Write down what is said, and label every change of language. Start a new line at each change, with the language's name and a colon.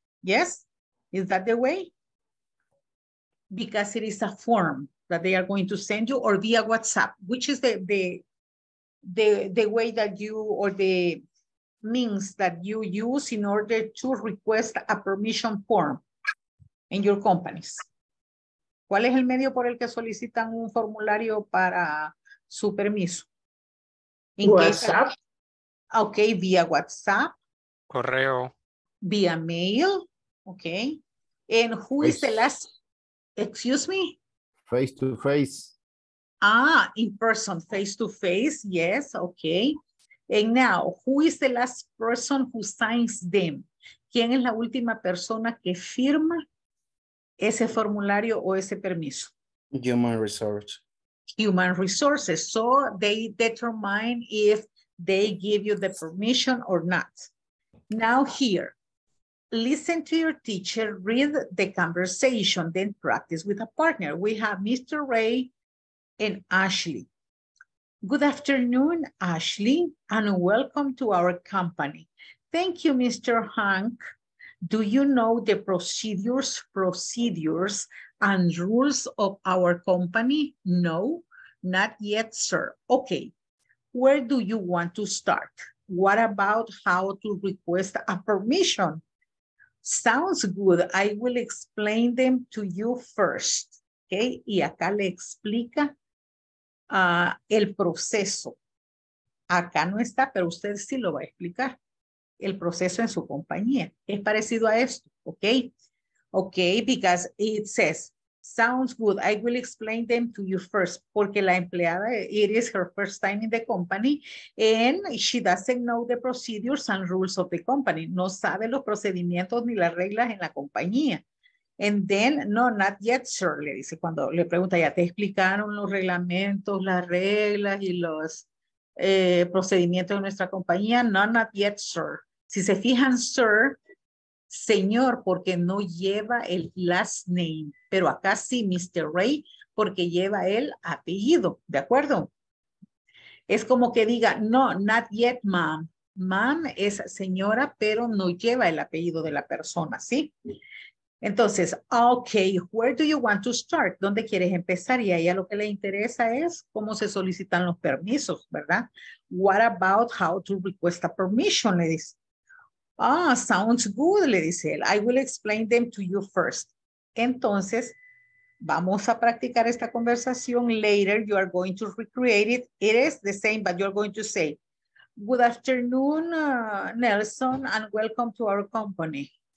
English: Yes, is that the way? Because it is a form that they are going to send you, or via WhatsApp, which is the way that you, or the means that you use in order to request a permission form in your companies.
Spanish: ¿Cuál es el medio por el que solicitan un formulario para su permiso?
English: WhatsApp. Okay, via WhatsApp.
Spanish: Correo.
English: Via mail. Okay. And who face. Is the last? Excuse me? Face to face. Ah, in person, face to face. Yes, okay. And now, who is the last person who signs them?
Spanish: ¿Quién es la última persona que firma ese formulario o ese permiso?
English: Human resources. Human resources. So they determine if they give you the permission or not. Now here, listen to your teacher, read the conversation, then practice with a partner. We have Mr. Ray and Ashley. Good afternoon, Ashley, and welcome to our company. Thank you, Mr. Hank. Do you know the procedures and rules of our company? No, not yet, sir. Okay, where do you want to start? What about how to request a permission? Sounds good. I will explain them to you first.
Spanish: Okay, y acá le explica el proceso. Acá no está, pero usted sí lo va a explicar. El proceso en su compañía. Es parecido a esto,
English: okay? Okay, because it says, sounds good, I will explain them to you first.
Spanish: Porque la empleada,
English: it is her first time in the company, and she doesn't know the procedures and rules of the company.
Spanish: No sabe los procedimientos ni las reglas en la compañía.
English: And then, no, not yet, sir,
Spanish: le dice. Cuando le pregunta, ya te explicaron los reglamentos, las reglas y los... procedimiento de nuestra compañía.
English: No, not yet, sir.
Spanish: Si se fijan, sir, señor, porque no lleva el last name, pero acá sí, Mr. Ray, porque lleva el apellido, ¿de acuerdo? Es como que diga,
English: no, not yet, ma'am.
Spanish: Ma'am es señora, pero no lleva el apellido de la persona, ¿sí? Entonces,
English: okay, where do you want to start?
Spanish: ¿Dónde quieres empezar? Y a ella lo que le interesa es cómo se solicitan los permisos, ¿verdad?
English: What about how to request a permission,
Spanish: le dice.
English: Ah, sounds good,
Spanish: le dice él.
English: I will explain them to you first.
Spanish: Entonces, vamos a practicar esta conversación.
English: Later, you are going to recreate it. It is the same, but you're going to say, good afternoon, Nelson, and welcome to our company.